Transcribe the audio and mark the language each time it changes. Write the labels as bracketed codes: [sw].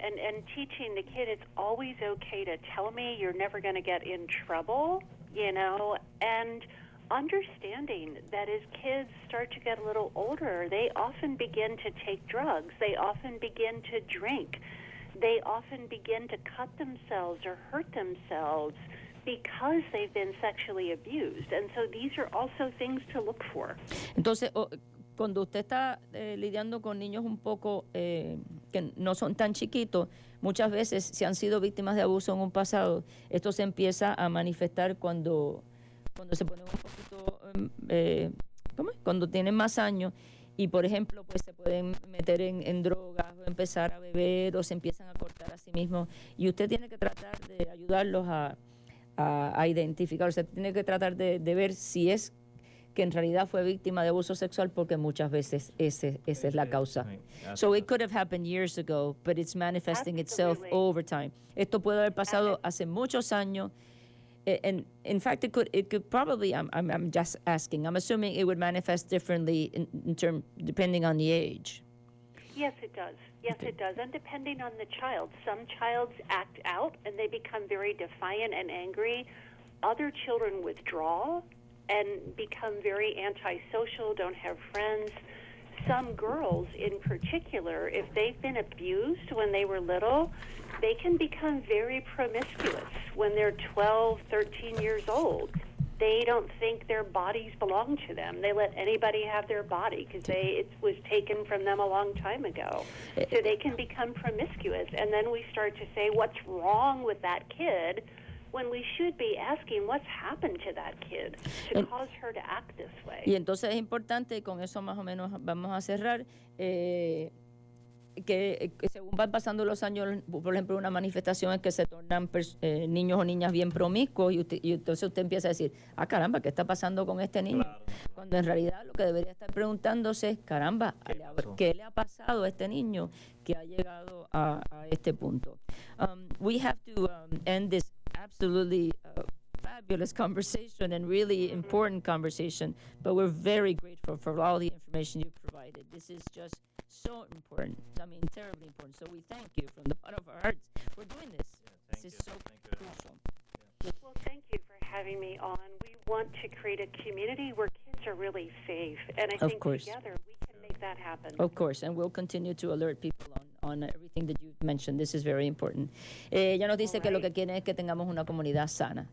[en] And teaching the kid it's always okay to tell me, you're never going to get in trouble, you know, and understanding that as kids start to get a little older, they often begin to take drugs, they often begin to drink, they often begin to cut themselves or hurt themselves because they've been sexually abused. And so these are also things to look for. [es] Entonces, cuando usted está lidiando con niños un poco que no son tan chiquitos, muchas veces, si han sido víctimas de abuso en un pasado, esto se empieza a manifestar cuando se ponen un poquito, cuando tienen más años. Y, por ejemplo, pues se pueden meter en drogas o empezar a beber o se empiezan a cortar a sí mismos. Y usted tiene que tratar de ayudarlos a identificar. O sea, tiene que tratar de ver si es que en realidad fue víctima de abuso sexual, porque muchas veces esa es la causa. Sí, [en] so it could have happened years ago, but it's manifesting itself over time. [es] Esto puede haber pasado hace muchos años. [en] And in fact, it could probably, I'm just asking, I'm assuming it would manifest differently in term, depending on the age. Yes, it does. Yes, okay. It does. And depending on the child, some childs act out and they become very defiant and angry. Other children withdraw and become very antisocial, don't have friends. Some girls in particular, if they've been abused when they were little, they can become very promiscuous when they're 12, 13 years old. They don't think their bodies belong to them. They let anybody have their body because it was taken from them a long time ago. So they can become promiscuous. And then we start to say, what's wrong with that kid? When we should be asking what's happened to that kid to cause her to act this way. [es] Y entonces es importante, con eso más o menos vamos a cerrar, que según van pasando los años, por ejemplo, una manifestación es que se tornan niños o niñas bien promiscuos y entonces usted empieza a decir, ah, caramba, ¿qué está pasando con este niño? Claro. Cuando en realidad lo que debería estar preguntándose es, caramba, ¿qué le ha pasado a este niño que ha llegado a este punto? [en] We have to end this absolutely fabulous conversation and really important conversation, but we're very grateful for all the information you provided. This is just so important. I mean, terribly important. So we thank you from the bottom of our hearts for doing this. Yeah, thank you. This is so crucial. Well, thank you for having me on. We want to create a community where kids are really safe. And I think together we can make that happen. Of course. And we'll continue to alert people on everything that you've mentioned. This is very important. [es] Ella nos dice que lo que quieren es que tengamos una comunidad sana.